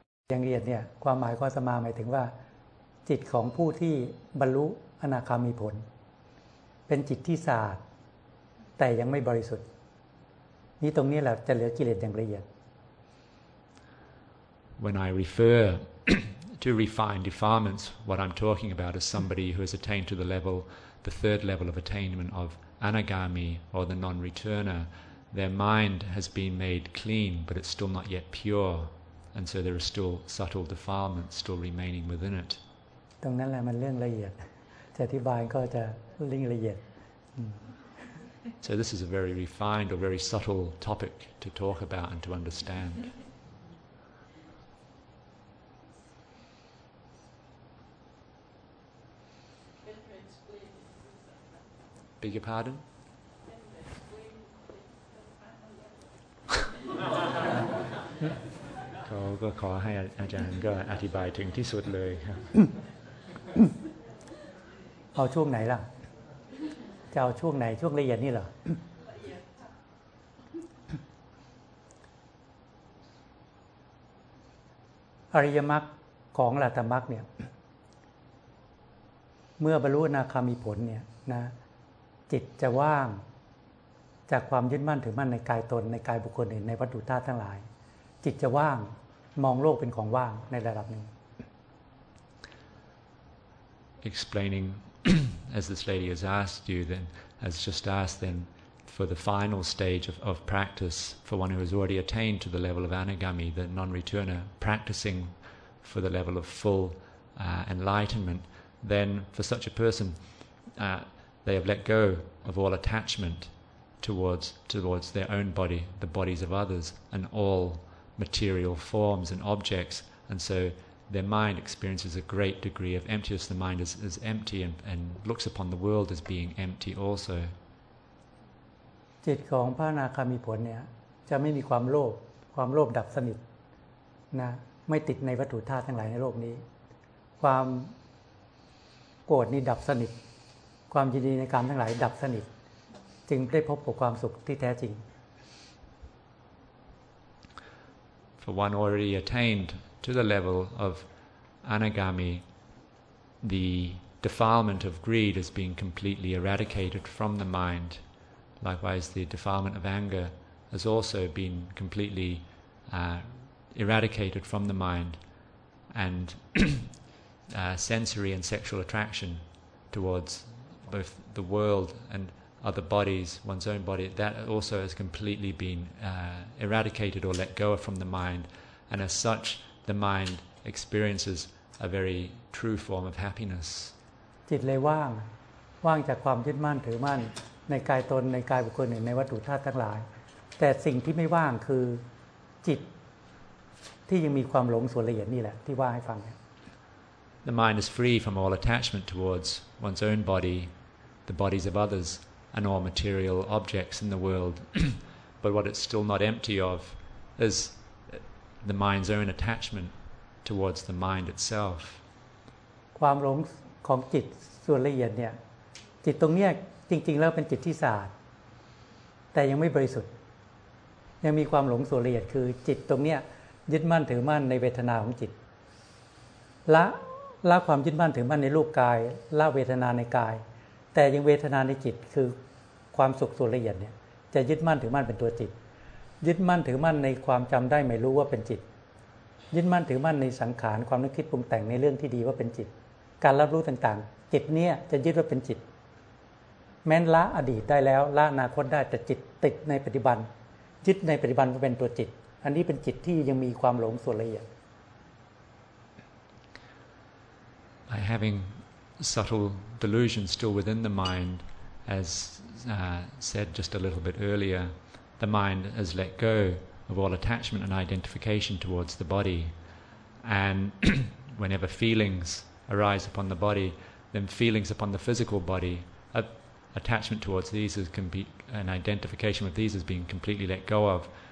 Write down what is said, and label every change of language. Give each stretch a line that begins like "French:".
Thai: อย่างละเอียดเนี่ยความหมายของสมาหมายถึงว่าจิตของผู้ที่บรรลุอนาคามีผลเป็นจิตที่สะอาดแต่ยังไม่บริสุทธิ์นี่ตรงนี้แหละจะเหลือกิเลสอย่างละเอียด
English: When I refer to refined defilements what I'm talking about is somebody who has attained to the level the third level of attainment of anagami or the non-returner their mind has been made clean but it's still not yet pure and so there are still subtle defilements still remaining within it
Thai: ตรงนั้นแหละมันเรื่องละเอียดจะอธิบายก็จะเรื่องละเอียด
English: So this is a very refined or very subtle topic to talk about and to understand. Beg your pardon?
Thai: เขาก็ขอให้อาจารย์ก็อธิบายถึงที่สุดเลยครับ เอาช่วงไหนล่ะจะเอาช่วงไหนช่วงละเอียดนี่เหรออริยมรรคของอรหัตมรรคเนี่ยเมื่อบรรลุอนาคามีผลเนี่ยนะจิตจะว่างจากความยึดมั่นถือมั่นในกายตนในกายบุคคลอื่นในวัตถุธาตุทั้งหลายจิตจะว่างมองโลกเป็นของว่างในระดับหนึ่ง
English: explainingAs this lady has asked you, then has just asked, then for the final stage of practice for one who has already attained to the level of anagami, the non-returner, practicing for the level of full enlightenment, then for such a person, they have let go of all attachment towards their own body, the bodies of others, and all material forms and objects, and so. Their mind experiences a great degree of emptiness. The mind is empty and looks upon the world as being empty also.
Thai: จิตของพระอนาคามีผลเนี่ยจะไม่มีความโลภความโลภดับสนิทนะไม่ติดในวัตถุธาตุทั้งหลายในโลกนี้ความโกรธนี่ดับสนิทความยินดีในกามทั้งหลายดับสนิทจึงได้พบกับความสุขที่แท้จริง
English: For one already attained to the level of anagami, the defilement of greed is being completely eradicated from the mind. Likewise, the defilement of anger has also been completely eradicated from the mind, and sensory and sexual attraction towards both the world and other bodies, one's own body, that also has completely been eradicated or let go of from the mind, and as such the mind experiences a very true form of happiness.
Thai: จิตเลยว่างว่างจากความยึดมั่นถือมั่นในกายตนในกายบุคคลในวัตถุธาตุทั้งหลายแต่สิ่งที่ไม่ว่างคือจิตที่ยังมีความหลงส่วนละเอียดนี่แหละที่ว่าให้ฟัง
English: The mind is free from all attachment towards one's own body, the bodies of others, and all material objects in the world. But what it's still not empty of is the mind's own attachment towards the mind itself.
Thai: ความหลงของจิตส่วนละเอียดเนี่ยจิตตรงเนี้ยจริงๆแล้วเป็นจิตที่สะอาดแต่ยังไม่บริสุทธิ์ยังมีความหลงส่วนละเอียดคือจิตตรงเนี้ยยึดมั่นถือมั่นในเวทนาของจิต ละความยึดมั่นถือมั่นในรูปกายละเวทนาในกายแต่ยังเวทนาในจิตคือความสุขส่วนละเอียดเนี่ยจะยึดมั่นถือมั่นเป็นตัวจิตยึดมั่นถือมั่นในความจำได้ไม่รู้ว่าเป็นจิตยึดมั่นถือมั่นในสังขารความนึกคิดปรุงแต่งในเรื่องที่ดีว่าเป็นจิตการรับรู้ต่างๆจิตเนี่ยจะยึดว่าเป็นจิตแม้นละอดีตได้แล้วละอนาคตได้แต่จิตติดในปัจจุบันยึดในปัจจุบันว่าเป็นตัวจิตอันนี้เป็นจิตที่ยังมีความหลงส่วนละเอียด
English: By having subtle delusions still within the mind, as said just a little bit earlier, the mind has let go of all attachment and identification towards the body. And whenever feelings arise upon the body, then feelings upon the physical body, attachment towards these can be an identification with these has been completely let go of.